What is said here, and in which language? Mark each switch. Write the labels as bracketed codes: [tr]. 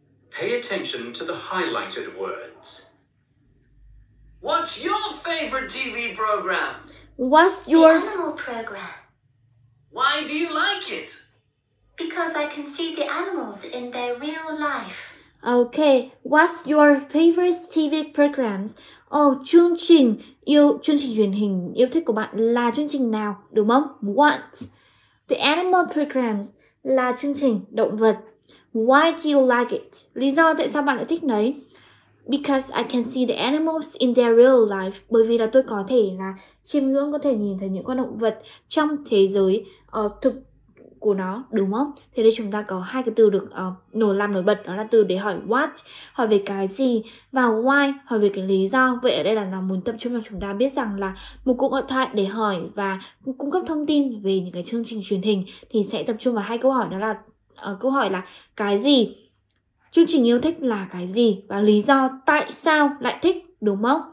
[en] Pay attention to the highlighted words. What's your favorite TV program? What's your... The animal program. Why do you like it? Because I can see the animals in their real life. Okay, what's your favorite TV programs? [vi] Oh, chương trình truyền hình yêu thích của bạn là chương trình nào, đúng không? [en] What? The animal programs [vi] là chương trình động vật. [en] Why do you like it? [vi] Lý do tại sao bạn lại thích đấy? [en] Because I can see the animals in their real life. [vi] Bởi vì là tôi có thể là chiêm ngưỡng, có thể nhìn thấy những con động vật trong thế giới thực của nó, đúng không? Thế đây chúng ta có hai cái từ được nổi bật, đó là từ để hỏi what, hỏi về cái gì, và why, hỏi về cái lý do. Vậy ở đây là nó muốn tập trung cho chúng ta biết rằng là một cuộc hội thoại để hỏi và cung cấp thông tin về những cái chương trình truyền hình thì sẽ tập trung vào hai câu hỏi, đó là câu hỏi là cái gì, chương trình yêu thích là cái gì, và lý do tại sao lại thích, đúng không?